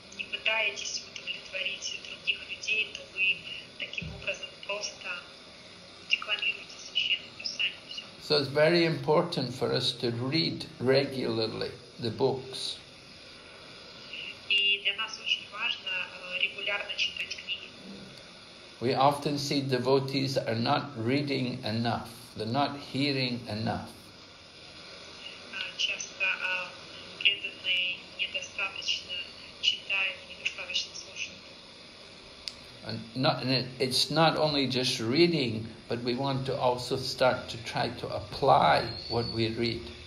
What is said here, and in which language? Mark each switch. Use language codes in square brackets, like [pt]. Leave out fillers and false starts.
[ru] пытаетесь удовлетворить других людей, то вы таким образом просто деклонируете священное писание. [en] So it's very important for us to read regularly the books. [ru] И для нас очень важно регулярно читать книги. [en] We often see devotees are not reading enough. They're not hearing enough. [ru] Часто преданные недостаточно читают, недостаточно слушают. [en] It's not only just reading, but we want to also start to try to apply what we read.